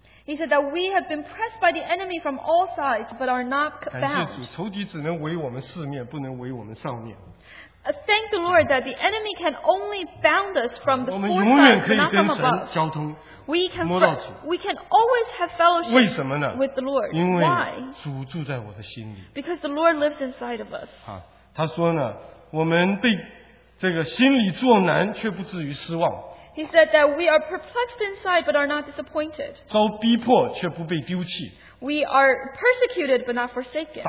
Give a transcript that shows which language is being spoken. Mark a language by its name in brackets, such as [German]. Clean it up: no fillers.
[English] He said that we have been pressed by the enemy from all sides but are not bound. [Chinese] 仇敌只能围我们四面,不能围我们上面。 [English] Thank the Lord that the enemy can only bound us from the four sides, not from above. We can always have fellowship [Chinese] 为什么呢? [English] With the Lord. Why? Because the Lord lives inside of us. [Chinese] 啊, 他说呢, 我们被这个心里作难, [English] he said that we are perplexed inside but are not disappointed. [Chinese] 遭逼迫, [English] we are persecuted but not forsaken.